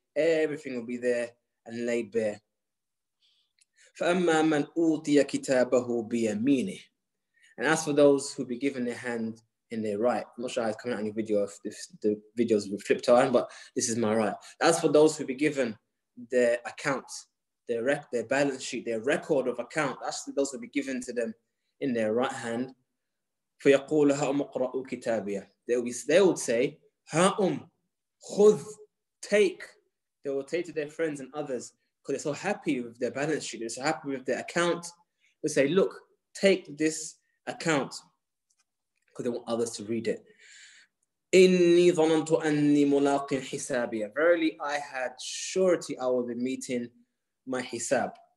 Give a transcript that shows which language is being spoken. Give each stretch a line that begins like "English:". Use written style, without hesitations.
English: Everything will be there and laid bare.
Arabic: فَأَمَّا مَنْ أُوْتِيَ كِتَابَهُ بِيَمِينِهِ
English: And as for those who be given their hand in their right, I'm not sure how it's coming out in your video, if the videos will flip time, but this is my right. As for those who be given their accounts, their balance sheet, their record of account, actually those will be given to them in their right hand.
Arabic: فَيَقُولُ هَأُمْ اقْرَأُوا كِتَابِيَةً
English: They would say,
Arabic: هَأُمْ خُذْ
English: Take. They will take to their friends and others because they're so happy with their balance sheet, they're so happy with their account. They say, look, take this account. because they want others to read it.
Arabic: إِنِّي ظَنَنْتُ أَنِّي مُلَاقٍ حِسَابِيَ.
English: Verily, I had surety I will be meeting my hisab.